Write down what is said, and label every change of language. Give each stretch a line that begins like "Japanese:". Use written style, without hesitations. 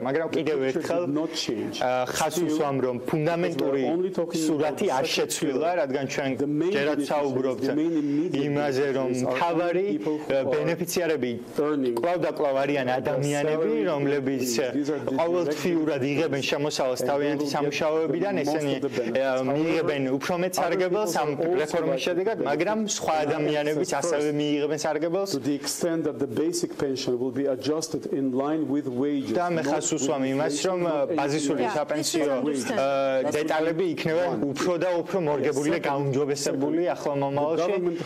Georgian: მაგრამ კიდევ ერთხელ ხასუსვამ, რომ ფუნდამენტური სურათი არ შეცვლილა, რადგან ჩვენ ჯერაც საუბრობთ იმაზე, რომ თავარი ბენეფიციარები კვლავ და კვლავ არიან ადამიანები, რომლებიც ყოველთვიურად იღებენ შემოსავალს თავიანთი სამუშაოებიდან, ესენი მიიღებენ უფრო მეტ სარგებელს ამ რეფორმის შედეგად, მაგრამ სხვა ადამიანებიც ასევე მიიღებენ სარგებელს.
English: To the extent that the basic pension will be adjusted in line with wages.
Georgian: და მე ხას უსვამ იმას, რომ ბაზისური საპენსიო დეტალები იქნება უფრო და უფრო მორგებული და გაუმჯობესებული ახლა მომავალში.